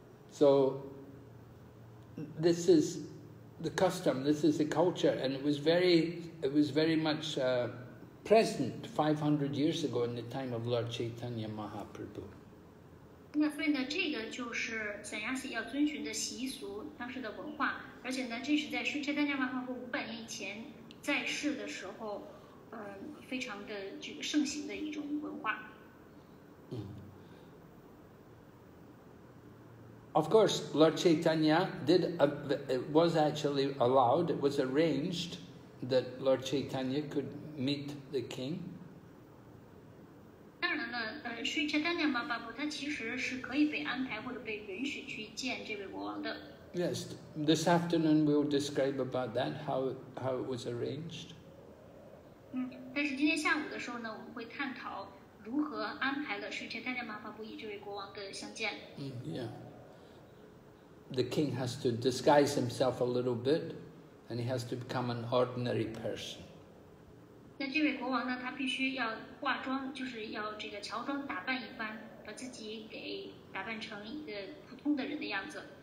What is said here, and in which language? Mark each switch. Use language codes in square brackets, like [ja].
[en] So this is the custom. This is the culture, and it was very much present 500 years ago in the time of Lord Chaitanya Mahaprabhu. [zh] 那所以呢，这个就是三亚寺要遵循的习俗，当时的文化。而且呢，这是在释迦丹尼玛哈布五百年以前在世的时候，非常的这个盛行的一种文化。 [en] Of course, Lord Chaitanya did. It was actually allowed. It was arranged that Lord Chaitanya could meet the king. [zh] 当然了，Sri Chaitanya Mahaprabhu 他其实是可以被安排或者被允许去见这位国王的。 [en] Yes, this afternoon we'll describe about that how it was arranged. [zh] 但是今天下午的时候呢，我们会探讨如何安排了Sri Chaitanya Mahaprabhu与这位国王的相见。 [en] The king has to disguise himself a little bit, and he has to become an ordinary person. [zh] 那这位国王呢？他必须要化妆，就是要这个乔装打扮一番，把自己给打扮成一个普通的人的样子。